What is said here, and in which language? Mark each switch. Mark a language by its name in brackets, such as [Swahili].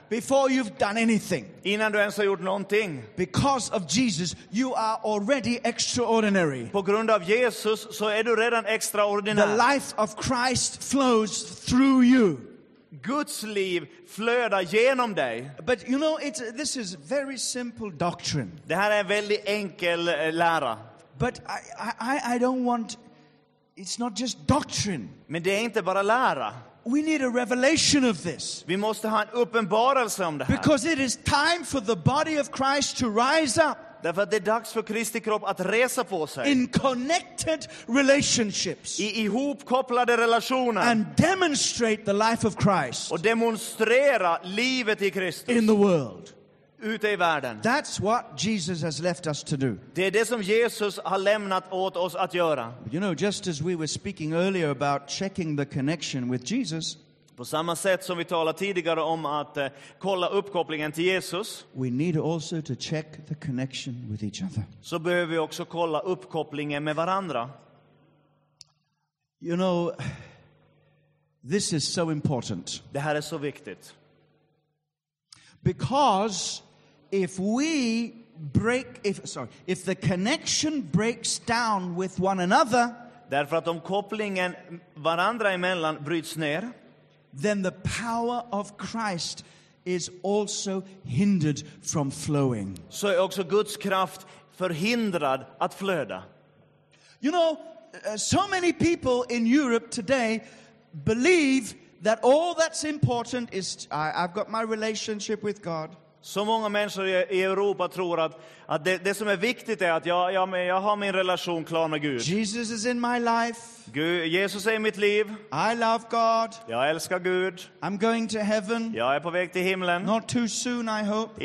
[English] Before you've done anything. [Swedish] Innan du ens har gjort någonting. [English] Because of Jesus, you are already extraordinary. [Swedish] På grund av Jesus så är du redan extraordinär. [English] The life of Christ flows through you. [Swedish] Guds liv flödar genom dig. [English] But you know, this is very simple doctrine. [Swedish] Det här är en väldigt enkel lära. [English] But I don't want, it's not just doctrine. [Swedish] Men det är inte bara lära. [English] We need a revelation of this. [Swedish] Vi måste ha en uppenbarelse om det här. [English] Because it is time for the body of Christ to rise up. [Swedish] Därför att det är dags för Kristi kropp att resa på sig. [English] In connected relationships. [Swedish] I ihopkopplade relationer. [English] And demonstrate the life of Christ. [Swedish] Och demonstrera livet i Kristus. [English] In the world. [Swedish] Ute i världen. [English] That's what Jesus has left us to do. [Swedish] Det är det som Jesus har lämnat åt oss att göra. [English] You know, just as we were speaking earlier about checking the connection with Jesus. [Swedish] På samma sätt som vi talade tidigare om att kolla uppkopplingen till Jesus. [English] We need also to check the connection with each other. [Swedish] Så behöver vi också kolla uppkopplingen med varandra. [English] You know, this is so important. [Swedish] Det här är så viktigt. [English] Because if we break, if the connection breaks down with one another. [Swedish] Därför att om kopplingen varandra emellan bryts ner. [English] Then the power of Christ is also hindered from flowing. [Swedish] Så är också Guds kraft förhindrad att flöda. [English] You know, so many people in Europe today believe that all that's important is I've got my relationship with God. [Swedish] Så många människor i Europa tror att det som är viktigt är att jag har min relation klar med Gud. [English] Jesus is in my life. [Swedish] Jesus är i mitt liv. [English] I love God. [Swedish] Jag älskar Gud. [English] I'm going to heaven. [Swedish] Jag är på väg till himlen. [English] Not too soon, I hope.